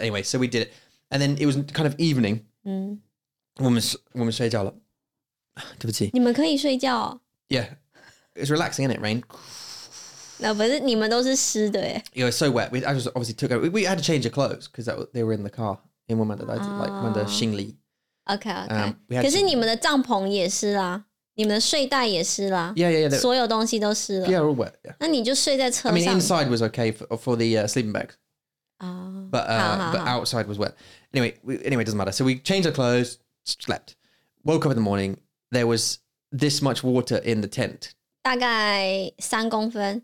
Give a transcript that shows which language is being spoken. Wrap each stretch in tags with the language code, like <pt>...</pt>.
<en>Anyway, so we did it. And then it was kind of evening. Woman said, "Jala."</en> <zh>你们可以睡觉哦?</zh> <en>Yeah. It's relaxing, isn't it? Rain. No, but you</en> <zh>们都是湿的耶.</zh> <en>Yeah, so wet. I just obviously took it. We had to change the clothes because they were in the car. In one moment, like one of the 行李. Okay.</en> <zh>可是你们的帐篷也湿啦, 你们的睡袋也湿啦.</zh> <en>Yeah, yeah, yeah.</en> <zh>所有东西都湿了.</zh> <en>Yeah, all wet. Yeah.</en> <zh>那你就睡在车上.</zh> <en>I mean, inside was okay for the sleeping bags. Oh, but outside was wet. Anyway, it doesn't matter. So we changed our clothes, slept. Woke up in the morning. There was this much water in the tent.</en> <zh>大概三公分,</zh>